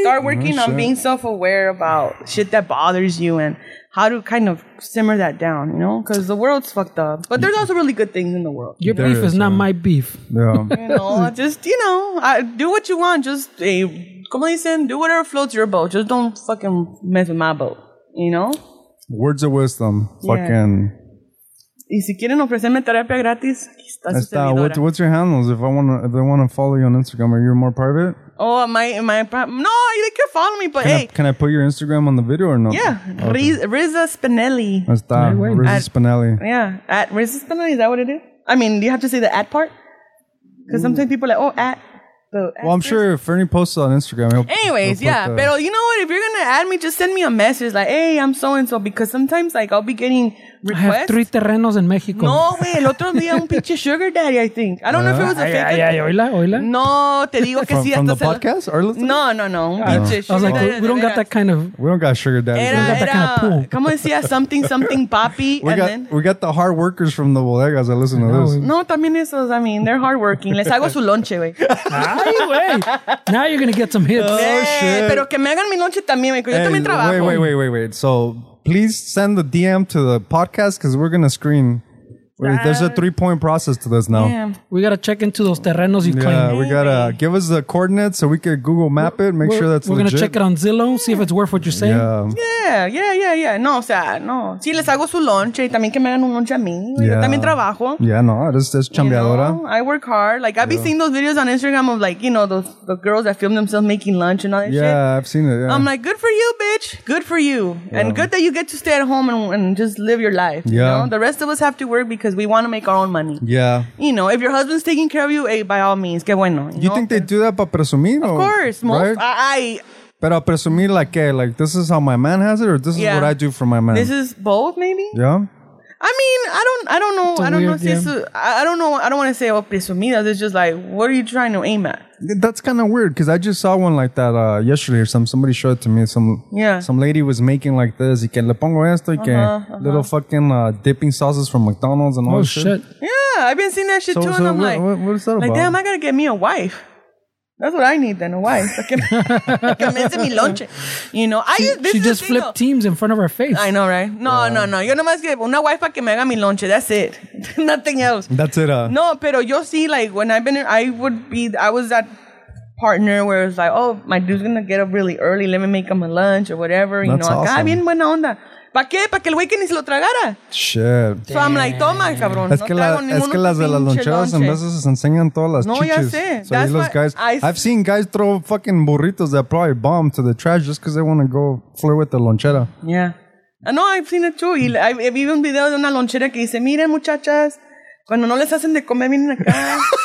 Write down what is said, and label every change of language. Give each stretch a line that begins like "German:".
English: Start working on being self-aware about shit that bothers you and how to kind of simmer that down, you know? Because the world's fucked up. But there's also really good things in the world. Your there beef is not my beef. Yeah. You know, just, you know, do what you want. Just, hey, come listen, do whatever floats your boat. Just don't fucking mess with my boat, you know? Words of wisdom. Yeah. Fucking...
Spanish: Y si quieren ofrecerme terapia gratis, aquí está su servidora.
English: What's your handles? If they want to follow you on Instagram, are you more private? Oh, my no, you can follow me, but can I put your Instagram on the video or no? Yeah, okay. Riza Spinelli. Riza Spinelli. Yeah, at Riza Spinelli. Is that what it is? I mean, do you have to say the at part? Because sometimes people are like, at. Well, I'm sure if Fernie posts on Instagram, but you know what? If you're going to add me, just send me a message like, hey, I'm so-and-so, because sometimes like I'll be getting requests. I have three terrenos in Mexico.
Spanish: No, güey. El otro día un pinche sugar daddy,
English: I think. I don't know if it was a fake.
Spanish: Ay, oíla. No, te digo que sí.
English: From the podcast?
Spanish: No. Un pinche sugar
English: daddy. I was like, we don't got that kind of... We don't got sugar daddy.
Spanish: Era,
English: we got that kind of pool.
Spanish: Como decía,
English: something papi. We got the hard workers from the bodegas that listen to this.
Spanish: No, también esos.
English: I mean, they're hardworking.
Spanish: Les hago su lonche, güey.
English: Anyway, now you're going to get some hits. Oh, shit.
Spanish: Pero que me hagan mi noche también, güey. Yo también trabajo.
English: Wait. So, please send the DM to the podcast because we're going to screen. There's a three-point process to this now. Damn. We got to check into those terrenos you claim. Yeah, we got to give us the coordinates so we can Google map it, make sure that's legit. We're going to check it on Zillow, see if it's worth what you're saying. Yeah.
Spanish: No, o sea, no. Sí, les hago su lonche y también que me hagan un lonche a mí. Yo también trabajo.
English: Yeah, no, it's chambeadora. You know, I work hard. Like, I've been seeing those videos on Instagram of, like, you know, the girls that film themselves making lunch and all that shit. Yeah, I've seen it, yeah. I'm like, good for you, bitch. Good for you. Yeah. And good that you get to stay at home and just live your life. Yeah. You know? The rest of us have to work because we want to make our own money. Yeah. You know, if your husband's taking care of you, hey, by all means,
Spanish: qué bueno.
English: You think they do that
Spanish: para presumir?
English: Of course.
Spanish: Pero presumir like qué?
English: Like, this is how my man has it, or this is what I do for my man? This is both, maybe? Yeah. I mean, I don't know. I don't want to say oh, presumidas. It's just like, what are you trying to aim at? That's kind of weird because I just saw one like that yesterday or something. Somebody showed it to me. Some lady was making like this.
Spanish: Y que le pongo esto, y que
English: little fucking dipping sauces from McDonald's and all shit. Yeah, I've been seeing that shit too. So and I'm what, like, what is that like, Like, damn, I got to get me a wife. That's what I need then, a wife.
Spanish: Comienza mi lonche.
English: You know, she just flipped teams in front of her face. I know, right? No.
Spanish: Yo nomás que una wife para que me haga mi lonche.
English: That's it. Nothing else. That's it.
Spanish: No, pero yo sí,
English: like, when I've been, I was at partner where it was like, oh, my dude's going to get up really early. Let me make him a lunch or whatever. That's, you know, awesome.
Spanish: Acá, bien buena onda. ¿Para qué? ¿Para que el güey que ni se lo tragara?
English: Shit. So I'm like,
Spanish: toma, cabrón. Es que, no la, es que las de las loncheras en veces se enseñan todas las chiches. No, ya sé.
English: So guys, I've seen guys throw fucking burritos that probably bomb to the trash just because they want to go flirt with the lonchera. Yeah. No, I've seen it too.
Spanish: Y he visto un video de una lonchera que dice, miren, muchachas, cuando no les hacen de comer, vienen acá.